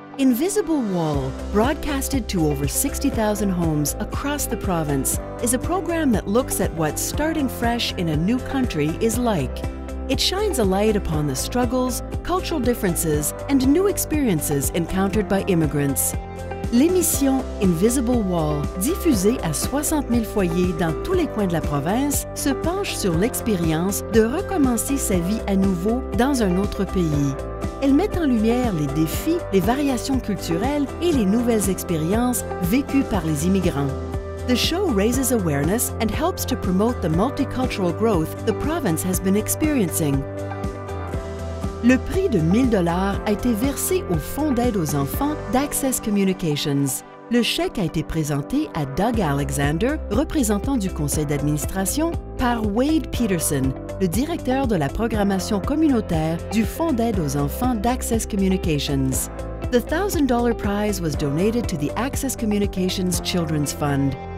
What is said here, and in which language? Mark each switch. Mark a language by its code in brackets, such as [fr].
[en] Invisible Wall, broadcasted to over 60,000 homes across the province, is a program that looks at what starting fresh in a new country is like. It shines a light upon the struggles, cultural differences, and new experiences encountered by immigrants. [fr] L'émission Invisible Wall, diffusée à 60 000 foyers dans tous les coins de la province, se penche sur l'expérience de recommencer sa vie à nouveau dans un autre pays. Elle met en lumière les défis, les variations culturelles et les nouvelles expériences vécues par les immigrants. [en] The show raises awareness and helps to promote the multicultural growth the province has been experiencing. [fr] Le prix de 1 000 $ a été versé au Fonds d'aide aux enfants d'Access Communications. Le chèque a été présenté à Doug Alexander, représentant du conseil d'administration, par Wade Peterson, le directeur de la programmation communautaire du Fonds d'aide aux enfants d'Access Communications. [en] The $1,000 prize was donated to the Access Communications Children's Fund.